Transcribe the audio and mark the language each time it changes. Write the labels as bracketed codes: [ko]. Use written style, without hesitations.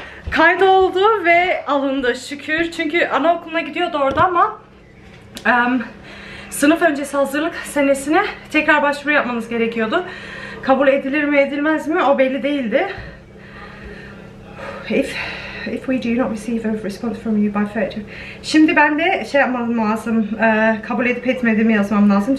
[tr] Kaydoldu ve alındı şükür. Çünkü anaokuluna gidiyordu orada ama sınıf öncesi hazırlık senesine tekrar başvuru yapmamız gerekiyordu. Kabul edilir mi edilmez mi o belli değildi. [en] If we do not receive a response from you by February. [tr] Şimdi ben de şey yapmam lazım. Kabul edip etmediğimi yazmam lazım.